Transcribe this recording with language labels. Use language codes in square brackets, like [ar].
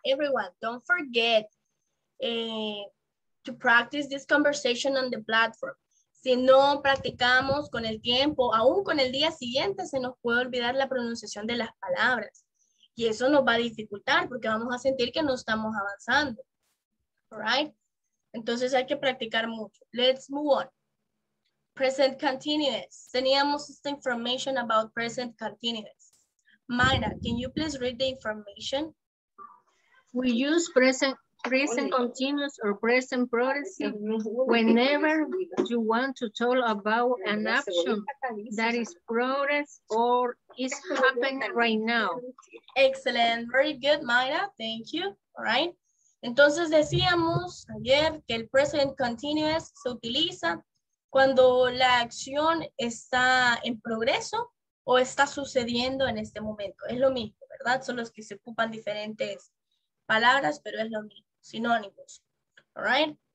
[en] Everyone, don't forget to practice this conversation on the platform. [es] Si no practicamos con el tiempo, aún con el día siguiente, se nos puede olvidar la pronunciación de las palabras. Y eso nos va a dificultar porque vamos a sentir que no estamos avanzando. [en] All right? [es] Entonces hay que practicar mucho. [en] Let's move on. [es] Present continuous. Teníamos esta [en] information about [es] present continuous. [en] Mayra, can you please read the information? We use present continuous or present progressive whenever you want to talk about an action that is progress or is happening right now. Excellent. Very good, Mayra. Thank you. All right. [es] Entonces decíamos ayer que el present continuous se utiliza cuando la acción está en progreso o está sucediendo en este momento. Es lo mismo, ¿verdad? Son los que se ocupan diferentes palabras, pero es lo mismo, sinónimos. [en] All right?